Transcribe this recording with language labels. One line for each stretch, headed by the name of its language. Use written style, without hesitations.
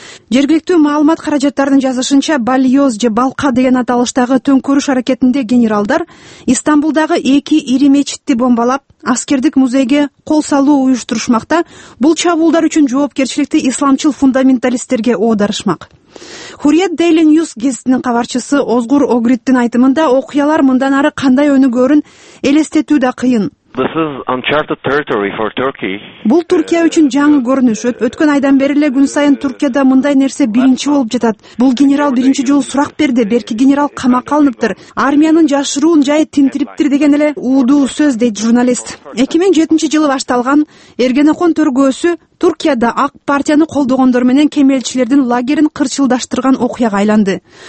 Kyrgyz: Жергиликтүү маалымат каражаттарынын жазышынча Бальёз же Балка деген аталыштагы төңкөрүш аракетинде генералдар Истанбулдагы эки ири мечитти бомбалап, аскердик музейге кол салуу уюштурушмакта, бул чабуулдар үчүн жоопкерчиликти исламчыл фундаменталисттерге оодарышмак. Хурият Дейли Ньюс гезитинин кабарчысы Озгур Огриттин айтымында окуялар мындан ары кандай өнүгөрүн элестетүү да кыйын.
English: This is uncharted territory for Turkey.
Kyrgyz: Бул Түркия үчүн жаңы көрүнүш. Өткөн айдан бери эле күн сайын Түркияда мындай нерсе биринчи болуп жатат. Бул генерал биринчи жолу сурак берди, берки генерал камакка алыныптыр. Армиянын жашыруун жайы тинтириптир деген эле уудуу сөз, дейт журналист. 2007 жылы башталган Эргене Кон төргөөсү Түркияда Ак партияны колдогондор менен кемелчилердин лагерин кырчылдаштырган окуяга айланды.